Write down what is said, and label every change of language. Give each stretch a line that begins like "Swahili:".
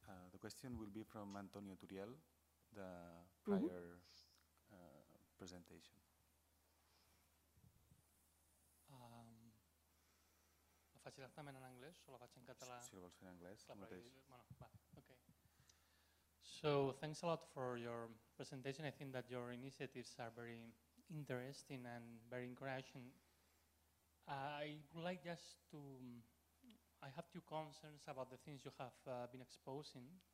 English: The question will be from Antonio Turiel, the prior presentation.
Catalan: Faig directament en anglès o la faig en català? Si la vols fer en anglès, el mateix. Bueno, va, okay.
English: So thanks a lot for your presentation. I think that your initiatives are very interesting and very encouraging. I would like just to, I have two concerns about the things you have been exposing.